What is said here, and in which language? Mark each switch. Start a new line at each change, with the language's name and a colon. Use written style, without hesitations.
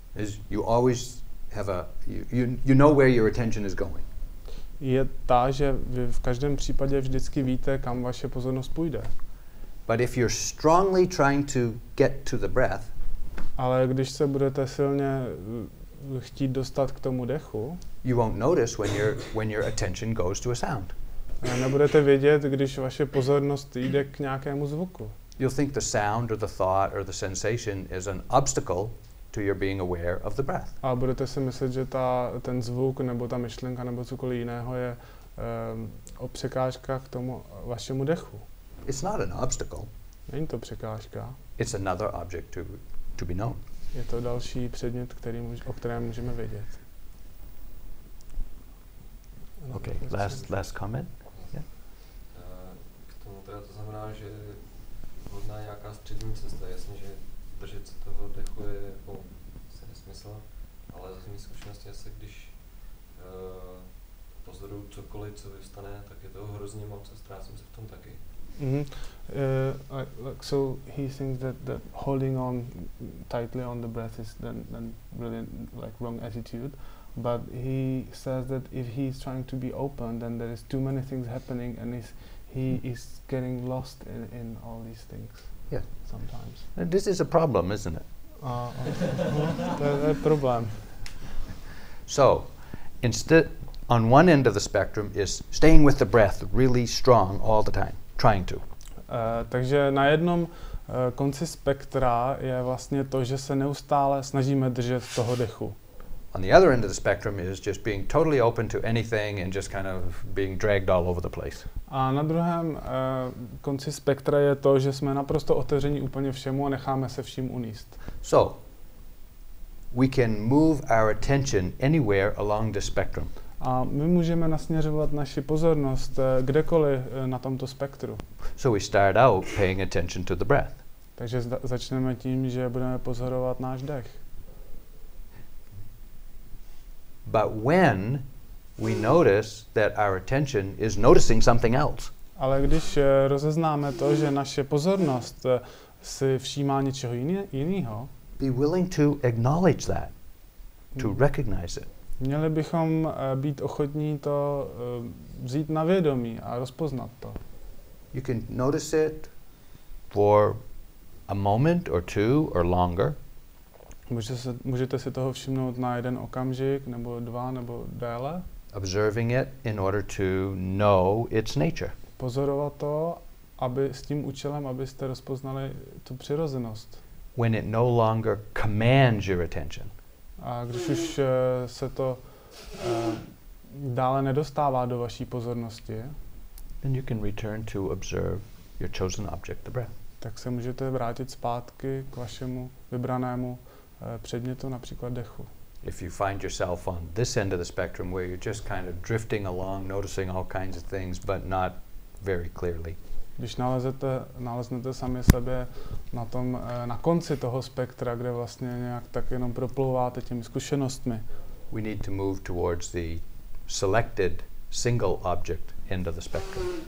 English: is you always have a you know where your attention is going.
Czech: Je ta, že vy v každém případě vždycky víte, kam vaše pozornost půjde.
English: But if you're strongly trying to get to the breath,
Czech: ale když se budete silně chtít dostat k tomu dechu,
English: you won't notice when your attention goes to a sound.
Czech: A nebudete vědět, když vaše pozornost jde k nějakému zvuku.
English: You'll think the sound or the thought or the sensation is an obstacle to your being aware of the breath.
Czech: A budete si myslet, že ten zvuk nebo ta myšlenka nebo cokoliv jiného je o překážka k tomu vašemu dechu.
English: It's not an obstacle.
Czech: Není to překážka.
English: It's another object to be known.
Czech: Je to další předmět, o kterém můžeme vědět.
English: Okay, last comment.
Czech: K tomu teda to znamená, že možná nějaká střední cesta, jasně, že držet se toho dechu je jako se nesmysl, ale z mé zkušenosti asi, když pozoruju cokoliv, co vyvstane, tak je toho hrozně moc a ztrácím se v tom taky. Mm-hmm.
English: Like, so he thinks that holding on tightly on the breath is then really like wrong attitude. But he says that if he's trying to be open, then there is too many things happening, and he is getting lost in all these things. Yeah. Sometimes. And this is a problem, isn't it? A problem. So, instead, on one end of the spectrum is staying with the breath really strong all the time, trying to.
Czech: Takže na jednom konci spektra je vlastně to, že se neustále snažíme držet toho dechu.
English: On the other end of the spectrum is just being totally open to anything and just kind of being dragged all over the place.
Czech: A na druhém konci spektra je to, že jsme naprosto otevření úplně všemu a necháme se vším uníst.
English: So, we can move our attention anywhere along the spectrum.
Czech: A my můžeme nasměřovat naši pozornost kdekoliv na tomto spektru.
English: So we start out paying attention to the breath.
Czech: Takže začneme tím, že budeme pozorovat náš dech.
English: But when we notice that our attention is noticing something else.
Czech: Ale když rozeznáme to, že naše pozornost si všímá něčeho jiného.
English: Be willing to acknowledge that, to recognize it.
Czech: Měli bychom být ochotní to vzít na vědomí a rozpoznat to.
English: You can notice it for a moment or two or longer.
Czech: Můžete si toho všimnout na jeden okamžik, nebo dva, nebo déle.
English: Observing it in order to know its nature.
Czech: Pozorovat to, aby s tím účelem, abyste rozpoznali tu přirozenost.
English: When it no longer commands your attention.
Czech: A když už se to dále nedostává do vaší pozornosti.
English: Then you can return to observe your chosen object, the breath.
Czech: Tak se můžete vrátit zpátky k vašemu vybranému předmětu, například dechu.
English: If you find yourself on this end of the spectrum where you're just kind of drifting along, noticing all kinds of things, but not very clearly.
Czech: Když naleznete sami sebe na tom na konci toho spektra, kde vlastně nějak tak jenom proplouváte těmi zkušenostmi.
English: We need to move towards the selected single object end of the spectrum.